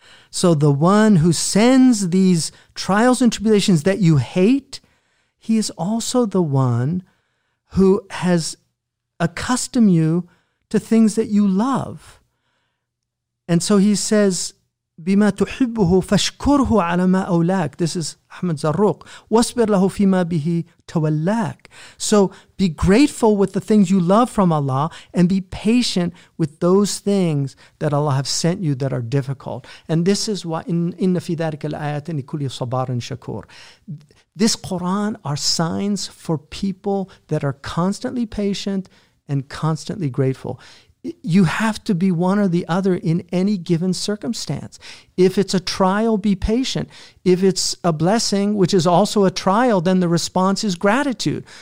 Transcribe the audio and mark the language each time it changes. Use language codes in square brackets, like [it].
[en] So the one who sends these trials and tribulations that you hate, he is also the one who has accustomed you to things that you love. And so he says, [ar] بِمَا تُحِبُّهُ فَشْكُرْهُ عَلَى مَا أَوْلَاكَ. [en] This is Ahmad Zarruq. [ar] وَاصْبِرْ لَهُ فِيمَا بِهِ تَوَلَّاكَ. [en] So be grateful with the things you love from Allah, and be patient with those things that Allah have sent you that are difficult. And this is why [ar] إِنَّ فِي ذَلِكَ الْآيَاتِ لِكُلِّ صَبَارٍ شَكُورٍ. [en] This Quran are signs for people that are constantly patient and constantly grateful. You have to be one or the other in any given circumstance. If it's a trial, be patient. If it's a blessing, which is also a trial, then the response is gratitude.